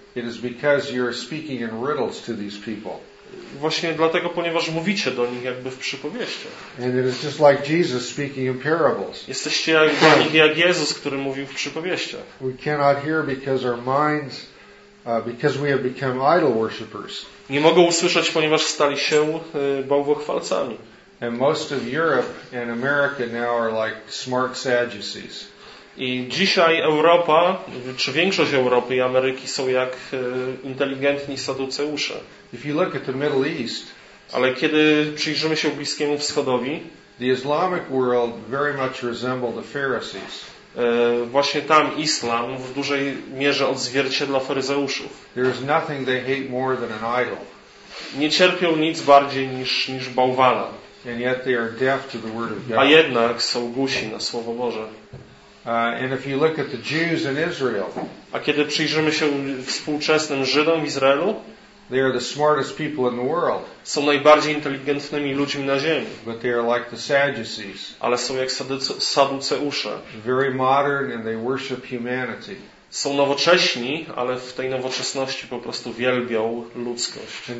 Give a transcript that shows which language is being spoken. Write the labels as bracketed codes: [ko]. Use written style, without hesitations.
[en] It is because you're speaking in riddles to these people. [pl] Właśnie dlatego, ponieważ mówicie do nich jakby w przypowieściach. [en] And it is just like Jesus speaking in parables. [pl] Jesteście jak Jezus, który mówił w przypowieściach. [en] We cannot hear because our minds because we have become idol worshippers. [pl] Nie mogą usłyszeć, ponieważ stali się bałwochwalcami. [en] And most of Europe and America now are like smart Sadducees. [pl] I dzisiaj Europa, czy większość Europy i Ameryki są jak inteligentni Saduceusze. [en] If you look at the Middle East, [pl] ale kiedy przyjrzymy się Bliskiemu Wschodowi, [en] the Islamic world very much resembles the Pharisees. [pl] Właśnie tam islam w dużej mierze odzwierciedla faryzeuszów. [en] There is nothing they hate more than an idol. [pl] Nie cierpią nic bardziej niż bałwana. [en] And yet they are deaf to the word of God. [pl] A jednak są głusi na słowo Boże. [en] And if you look at the Jews in Israel, [pl] a kiedy przyjrzymy się współczesnym Żydom w Izraelu, [en] they are the smartest people in the world. [pl] Są najbardziej inteligentnymi ludźmi na ziemi. [en] But they are like the Sadducees. [pl] Ale są jak Saduceusze. [en] Very modern and they worship humanity. [pl] Są nowocześni, ale w tej nowoczesności po prostu wielbią ludzkość,